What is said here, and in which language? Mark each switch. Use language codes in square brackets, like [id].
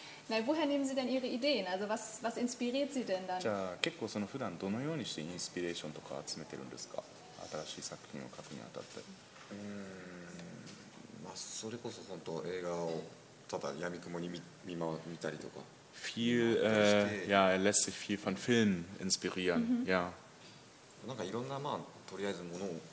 [de] なに、woher nehmen Sie denn Ihre Ideen? Also was inspiriert Sie denn dann? [ja] じゃあ、結構その普段どのようにしてインスピレーションとか集めてるんですか？新しい作品を書くにあたって。まあ、それこそ本当映画をただ闇雲に見たりとか。 [de] Viel, ja, er lässt sich viel von Filmen inspirieren, ja. [ja] なんかいろんなまあ、とりあえずものを